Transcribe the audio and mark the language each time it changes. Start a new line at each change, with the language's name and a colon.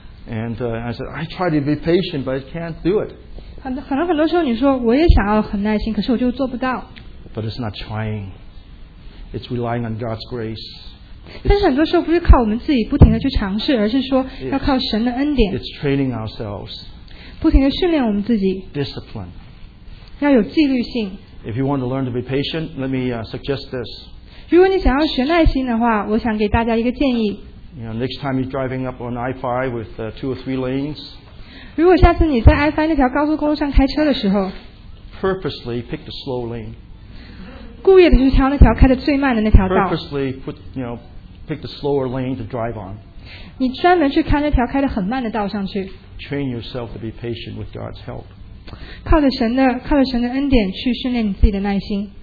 English: And I said, I try to be patient, but I can't do it.
Chinese: 很多时候你说我也想要很耐心，可是我就做不到。
English: But it's not trying. It's relying on God's grace.
Chinese: 但是很多时候不是靠我们自己不停地去尝试，而是说要靠神的恩典。
English: It's training ourselves.
Chinese: 不停地训练我们自己。
English: Discipline.
Chinese: 要有纪律性。
English: If you want to learn to be patient, let me suggest this.
Chinese: 如果你想要学耐心的话，我想给大家一个建议。
English: You know, next time you're driving up on I-5 with two or three lanes,
Chinese: 如果下次你在I-5那条高速公路上开车的时候,
English: purposely pick the slow lane.
Chinese: 故意的去挑那条开的最慢的那条道,
English: purposely put, you know, pick the slower lane to drive on.
Chinese: 你专门去开那条开的很慢的道上去,
English: train yourself to be patient with God's help.
Chinese: 靠着神的恩典去训练你自己的耐心。